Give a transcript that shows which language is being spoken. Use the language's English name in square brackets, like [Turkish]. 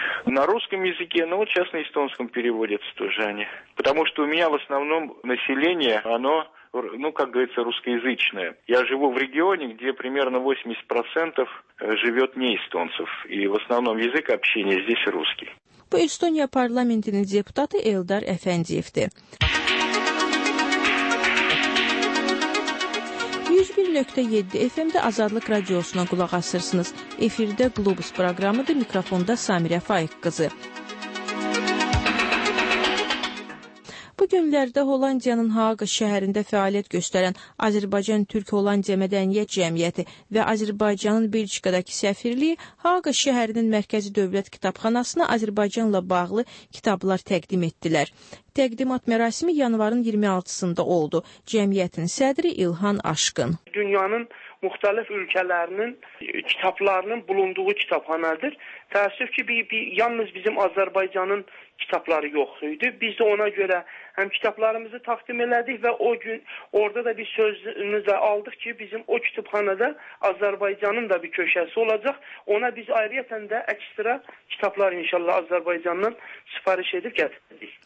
[Russian] На русском языке, но вот сейчас на эстонском переводятся тоже они. Потому что у меня в основном население, оно, ну, как говорится, русскоязычное. Я живу в регионе, где примерно 80% живет не эстонцев. И в основном язык общения здесь русский. [Azerbaijani] Bu Estonya parlamentinin deputatı Eldar Efendiyev'di. 101.7 FM'de Azadlık Radyosu'na kulak asırsınız. Efirde Globus programıdır. Mikrofonda Samirə Faiq kızı. Bu günlərdə Hollandiyanın Haaqı şəhərində fəaliyyət göstərən Azərbaycan Türk-Hollandiya Mədəniyyət Cəmiyyəti və Azərbaycanın Belçikadakı səfirliyi Haaqı şəhərinin Mərkəzi Dövlət Kitabxanasına Azərbaycanla bağlı kitablar təqdim etdilər. Təqdimat mərasimi yanvarın 26-sında oldu. Cəmiyyətin sədri İlhan Aşqın. Dünyanın müxtəlif ölkələrinin kitablarının bulunduğu kitabxanadır. Təəssüf ki, yalnız bizim Azərbaycanın kitabları yox idi. [Turkish] Biz de ona göre hem kitablarımızı takdim elədik ve o gün orada da bir sözünü de aldık ki bizim o kitabxanada Azerbaycan'ın da bir köşesi olacak. Ona biz ayrıyeten de ekstra kitaplar inşallah Azerbaycan'dan sipariş edip getirdik.